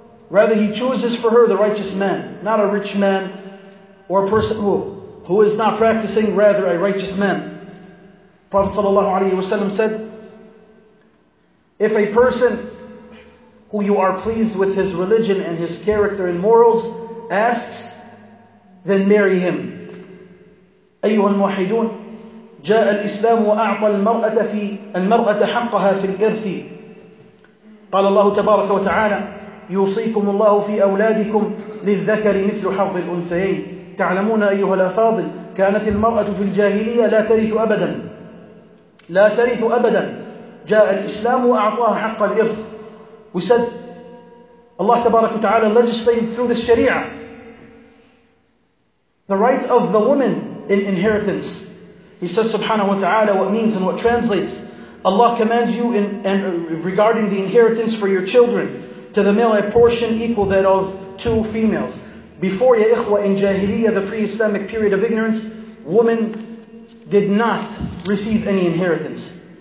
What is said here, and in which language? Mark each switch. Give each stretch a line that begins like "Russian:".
English: Rather, he chooses for her the righteous man, not a rich man or a person who is not practicing, rather a righteous man. Prophet ﷺ said, if a person who you are pleased with his religion and his character and morals asks, then marry him.
Arabic: أيها الموحدون جاء الإسلام وأعطى المرأة حقها في الإرث قال الله تبارك وتعالى يوصيكم الله في أولادكم للذكر مثل حظ الأنثيين تعلمون أيها الأفاضل كانت المرأة في الجاهلية لا ترث أبدا لا ترث أبدا جاء الإسلام وأعطاها حق الإرث وسد الله تبارك وتعالى
English: legislated through the Sharia the right of the woman in inheritance. He says subhanahu wa ta'ala what means and what translates. Allah commands you in and regarding the inheritance for your children to the male a portion equal that of two females. Before
Arabic: ya ikhwa
English: in jahiliyyah, the pre-Islamic period of ignorance, women did not receive any inheritance.